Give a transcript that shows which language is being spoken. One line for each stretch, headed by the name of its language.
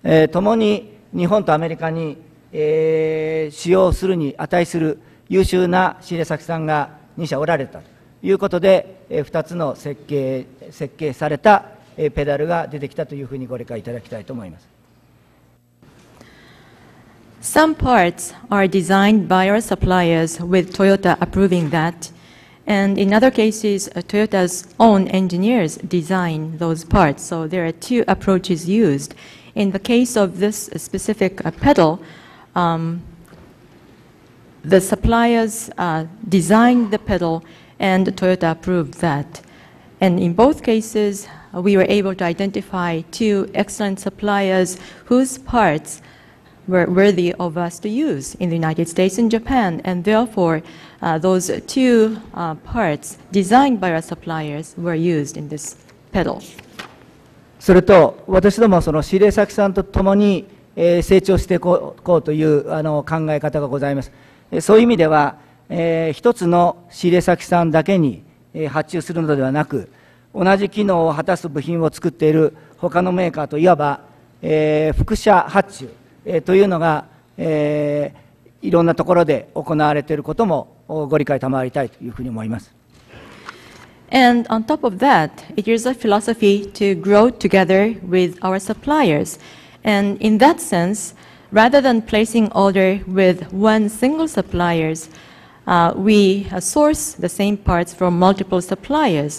Japanese: 共に日本とアメリカに使用するに値する優秀な仕入れ先さんが2社おられたということで、2つの設計されたペダルが出てきたというふうにご理解いただきたいと思います。
English: Some parts are designed by our suppliers with Toyota approving that, and in other cases Toyota's own engineers design those parts, so there are two approaches used. In the case of this specific pedal, the suppliers designed the pedal and Toyota approved that. And in both cases, we were able to identify two excellent suppliers whose parts were worthy of us to use in the United States and Japan. And therefore, those two parts designed by our suppliers were used in this pedal.
Japanese: それと私どもその仕入れ先さんとともに成長していこうという考え方がございます。そういう意味では一つの仕入れ先さんだけに発注するのではなく、同じ機能を果たす部品を作っている他のメーカーといわば複社発注というのがいろんなところで行われていることもご理解賜りたいというふうに思います。
English: And on top of that, it is a philosophy to grow together with our suppliers. And in that sense, rather than placing order with one single supplier, we source the same parts from multiple suppliers.